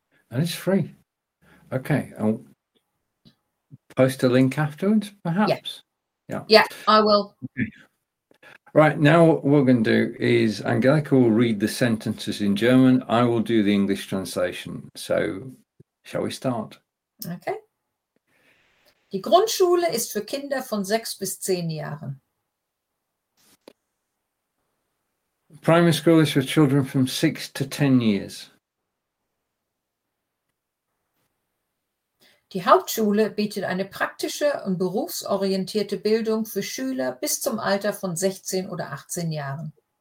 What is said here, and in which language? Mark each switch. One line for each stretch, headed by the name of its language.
English: And it's free. Okay. I'll post a link afterwards, perhaps. Yeah. Yeah, I will. Okay. Right. Now what we're going to do is Angelika will read the sentences in German. I will do the English translation. So shall we start? Okay.
German: Die Grundschule ist für Kinder von 6 bis 10 Jahren.
English: Primary school is for children from 6 to 10 years.
German: Die Hauptschule bietet eine praktische und berufsorientierte Bildung für Schüler bis zum Alter von 16 oder 18 Jahren.